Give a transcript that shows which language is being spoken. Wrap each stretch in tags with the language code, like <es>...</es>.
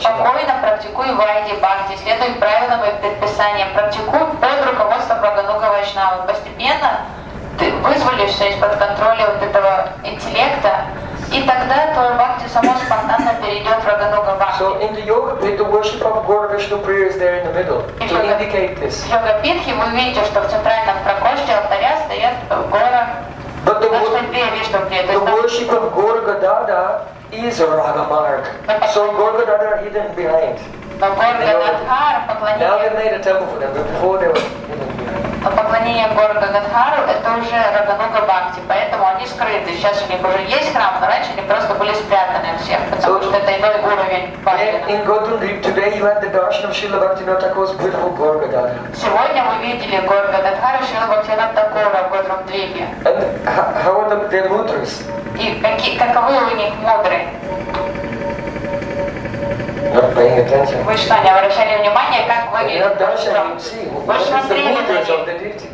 <ru>Спокойно практикуй вайди бхакти, следуй правилам и предписаниям, практикуй под руководством Рагануга Вайшнава. Постепенно ты вызволишься из-под контроля вот этого интеллекта, и тогда твоя бхакти само спонтанно перейдет в Рагануга Бхакти.</ru> <en>So in the yoga pit, the worship of Guru Vishnu Priya is there in the middle, to indicate this.</en> <ru>В йога питхе вы видите, что в центральном прокоште алтаря стоят Гора.</ru> <en>But the worship of Gorga Dada is a Raga Marg. So Gorga Dada are hidden behind. Now they made a temple for them, but before they were hidden behind.</en> <ru>Но поклонение Горга Гадхару это уже Рагануга Бхакти, поэтому они скрыты. Сейчас у них уже есть храм, но раньше они просто были спрятаны от всех, потому что это иной уровень бхакти.</ru> <en>In Gautandrip today you had the darshan of Srila Bhaktivinoda Thakur's beautiful Gorga Dada.</en> <ru>Сегодня мы видели Горга Гадхару Шрила Бхактивинода Такура в Гаутандрипе.</ru> <en>And how are their mudras?</en> <ru>И какие, каковы у них мудры?</ru> <en>Not paying attention.</en> <ru>Вы что, не обращали внимания, как выглядит? Вы смотрели на них,</ru>